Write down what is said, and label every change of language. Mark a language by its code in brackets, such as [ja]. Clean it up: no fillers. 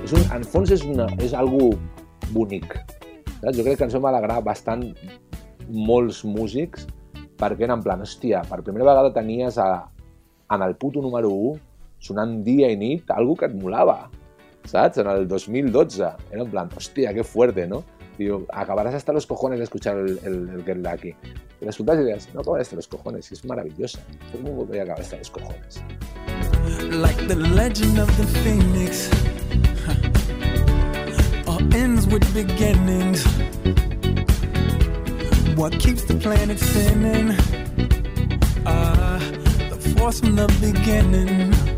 [ca] En fons és algo bonic. Jo crec que ens vam alegrar bastant molts músics perquè eren en plan, hòstia, per primera vegada tenies en el puto número 1 sonant dia i nit algo que et molava. [es] ¿Sabes? En el 2012. Era en plan, hostia, qué fuerte, ¿no? Digo, acabarás hasta los cojones de escuchar el Get Lucky. Y resulta que dirás, no acabarás hasta los cojones, es maravillosa. Todo el mundo voy a acabar hasta los cojones. [en] Like the legend of the phoenix, all ends with beginnings. What keeps the planet spinning? The force from the beginning.